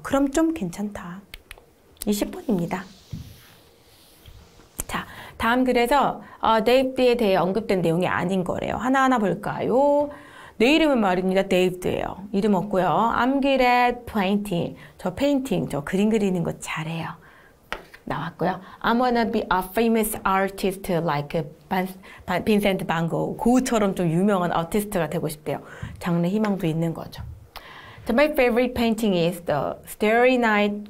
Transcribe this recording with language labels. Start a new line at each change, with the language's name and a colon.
Korean: 그럼 좀 괜찮다. 20번입니다. 자, 다음 그래서 데이브드에 대해 언급된 내용이 아닌 거래요. 하나하나 볼까요? 내 이름은 말입니다. 데이브드예요. 이름 없고요.
English: I'm good at painting.
Korean: 저 페인팅, 저 그림 그리는 거 잘해요. 나왔고요.
English: I'm gonna be a famous artist like Vincent Van Gogh.
Korean: 고우처럼 좀 유명한 아티스트가 되고 싶대요. 장래 희망도 있는 거죠.
English: So my favorite painting is the Starry Night.